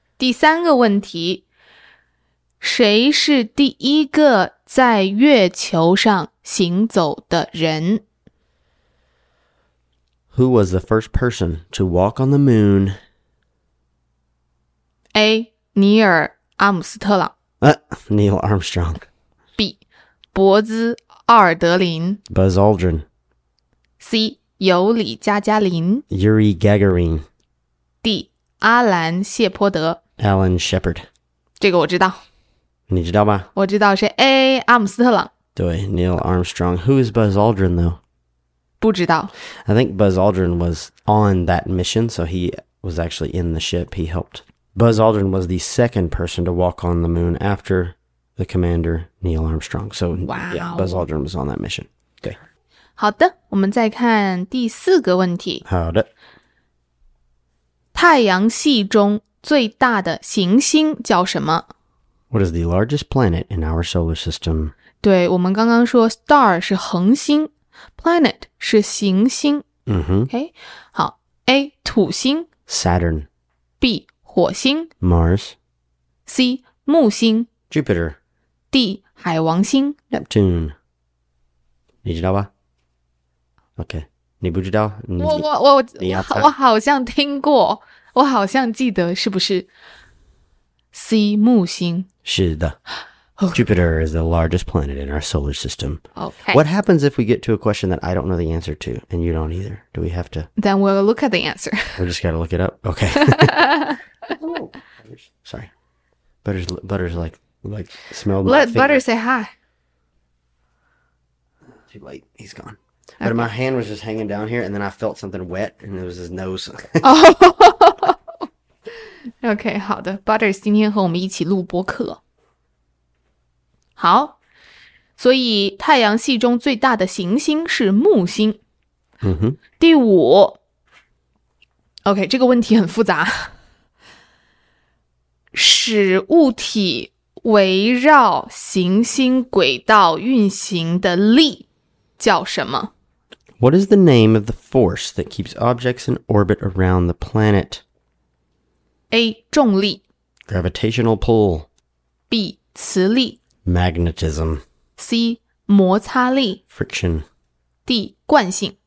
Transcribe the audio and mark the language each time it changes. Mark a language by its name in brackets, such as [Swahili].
[Chinese] 第三个问题，谁是第一个在月球上行走的人？ [English] Who was the first person to walk on the moon? [Chinese] A. 尼尔·阿姆斯特朗 [English] Neil Armstrong. [Chinese] B. 伯兹·奥尔德林 [English] Buzz Aldrin. [Chinese] C. 尤里·加加林 [English] Yuri Gagarin. [Chinese] D. 阿兰·谢泼德 [English] Alan Shepard. [Chinese] 这个我知道。你知道吗？我知道是 A, 阿姆斯特朗。对 [English] ,Neil Armstrong. Who is Buzz Aldrin, though? [Chinese] 不知道。 [English] I think Buzz Aldrin was on that mission, so he was actually in the ship. He helped. Buzz Aldrin was the second person to walk on the moon after the commander, Neil Armstrong. So, wow. Yeah, Buzz Aldrin was on that mission. Okay. [Chinese] 好的,我们再看第四个问题。好的。太阳系中最大的行星叫什么 [English] ?What is the largest planet in our solar system? [Chinese] 对我们刚刚说 star 是恒星 ,planet 是行星。嗯哼。 [English] Okay, [Chinese] 好 ,A, 土星 [English] ,Saturn, [Chinese] B, 火星 [English] ,Mars, [Chinese] C, 木星 [English] ,Jupiter, [Chinese] D, 海王星 ,Neptune, 你知道吧 ?OK, 你不知道你我好像听过。我好像记得是不是 C 木星是的、oh. [English] Jupiter is the largest planet in our solar system. Okay. What happens if we get to a question that I don't know the answer to and you don't either? Do we have to? Then we'll look at the answer. We just gotta look it up? Okay. Sorry. Butter's like smelled my finger. Let Butter say hi. Too late. He's gone. Okay. But my hand was just hanging down here, and then I felt something wet, and it was his nose. Oh! Okay, [Chinese] 好的 Butters 今天和我们一起录播客。好，所以太阳系中最大的行星是木星。 Mm-hmm. 第五 [English] Okay, [Chinese] 这个问题很复杂。使物体围绕行星轨道运行的力叫什么？ [English] What is the name of the force that keeps objects in orbit around the planet? [Chinese] A. 重力 [English] Gravitational pull [Chinese] B. 磁力 [English] Magnetism [Chinese] C. 摩擦力 [English] Friction [Chinese] D. 惯性